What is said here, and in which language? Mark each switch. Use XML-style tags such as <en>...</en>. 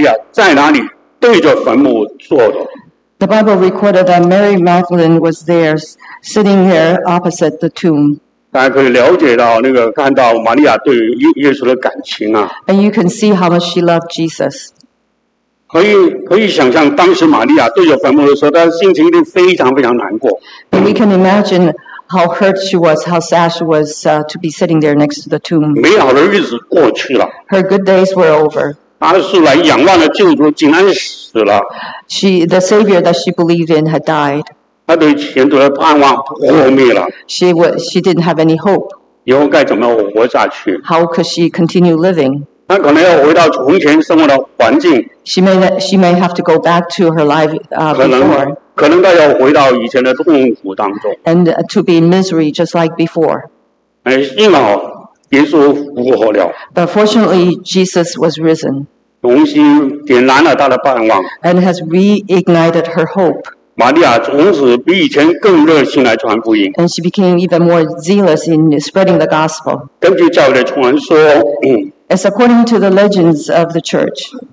<zh>圣经记载莫大拉玛利亚在哪里对着坟墓坐着。</zh> <en>The Bible recorded that Mary Magdalene was there, sitting there opposite the tomb.</en> <zh>大家可以了解到那个看到玛利亚对耶稣的感情啊。</zh> <en>And you can see how much she loved Jesus.</en> <zh>可以想象当时玛利亚对着坟墓的时候，她心情一定非常非常难过。</zh> <en>And we can imagine how hurt she was, how sad she was to be sitting there next to the tomb.</en> <zh>美好的日子过去了,</zh> <en>her good days were over.</en> <zh>她素来仰望的救主竟然死了,</zh> <en>she, the Savior that she believed in had died.</en> <zh>她对前途的盼望破灭了,</zh> <en>she didn't have any hope.</en> <zh>以后该怎么活下去?</zh> <en>How could she continue living?</en> <zh>她可能要回到从前生活的环境,</zh> <en>she may have to go back to her life before.</en> <zh>可能他要回到以前的痛苦当中,</zh> <en>and to be in misery just like before.</en> <zh>幸好耶稣复活了,</zh> <en>but fortunately Jesus was risen,</en> <zh>重新点燃了他的盼望,</zh> <en>and has reignited her hope.</en> <zh>玛利亚从此比以前更热心来传福音,</zh> <en>and she became even more zealous in spreading the gospel.</en> <zh>根据教会的传说,</zh> <en>as according to the legends of the church,</en>